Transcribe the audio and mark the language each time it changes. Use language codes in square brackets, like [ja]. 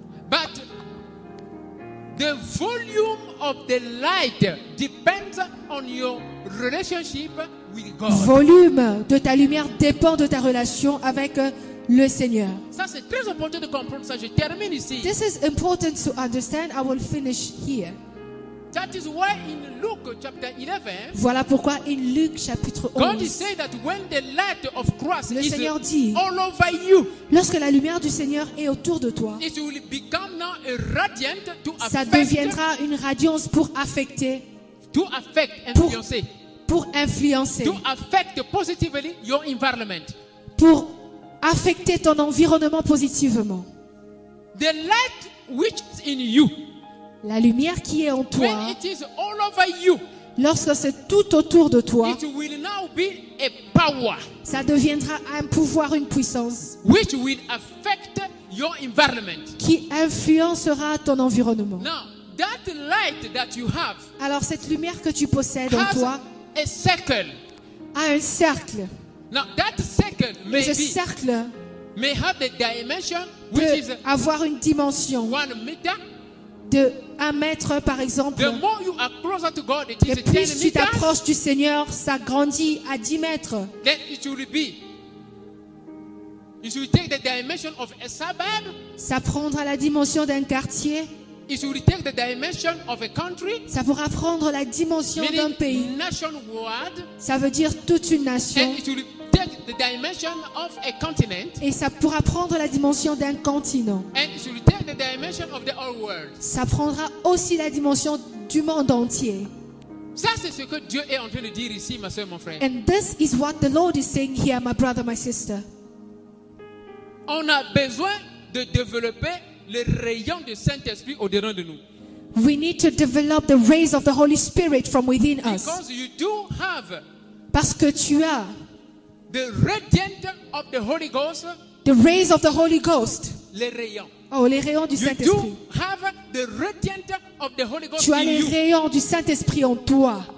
[en] But the volume of the light depends on your relationship with God. [fr] Volume de ta lumière dépend de ta relation avec le Seigneur. Ça, c'est très important de comprendre ça. Je termine ici. [en] This is important to understand. I will finish here. That is why in Luke chapter 11, [fr] voilà pourquoi [en] in Luke [fr] chapitre 11, [en] God is saying that when the light of Christ [fr] le Seigneur dit, [en] all over you, [fr] lorsque la lumière du Seigneur est autour de toi, [en] it will become now a radiant to affect, [fr] ça deviendra une radiance pour affecter, [en] to affect, [fr] influencer, pour influencer, [en] to affect positively your environment, [fr] pour affecter ton environnement positivement. [en] The light which is in you, [fr] la lumière qui est en toi, [en] when it is all over you, [fr] lorsque c'est tout autour de toi, [en] it will now be a power, [fr] ça deviendra un pouvoir, une puissance, [en] which will affect your environment, [fr] qui influencera ton environnement. [en] Now, that light that you have, [fr] alors cette lumière que tu possèdes [en] has [fr] en toi, [en] a circle, [fr] a un cercle. [en] Now, that circle may, [fr] ce cercle [en] may have the dimension, [fr] peut [en] which is [fr] avoir une dimension, [en] 1 meter, [fr] de 1 mètre par exemple. [en] The more you are closer to God, it is, [fr] et plus 10 tu t'approches du Seigneur, ça grandit à 10 mètres. [en] Then it will be, it will take the dimension of a suburb, [fr] ça prendra la dimension d'un quartier, [en] it will take the dimension of a country, [fr] ça pourra prendre la dimension d'un pays, [en] nationwide, [fr] ça veut dire toute une nation, [en] and it will take the dimension of a continent, [fr] et ça pourra prendre la dimension d'un continent, [en] and it will take the dimension of the whole world, [fr] ça prendra aussi la dimension du monde entier. Ça, c'est ce que Dieu est en train de dire ici, ma soeur, mon frère. [en] And this is what the Lord is saying here, my brother, my sister. [fr] On a besoin de développer le rayon du Saint-Esprit au-dedans de nous. [en] We need to develop the rays of the Holy Spirit from within us. Because you do have, [fr] parce que tu as, [en] the radiant of the Holy Ghost, the rays of the Holy Ghost, [fr] les rayons. Oh, les rayons du [en] you [fr] Saint-Esprit. [en] You do have the radiant of the Holy Ghost. [fr] Tu as les rayons du Saint-Esprit en toi.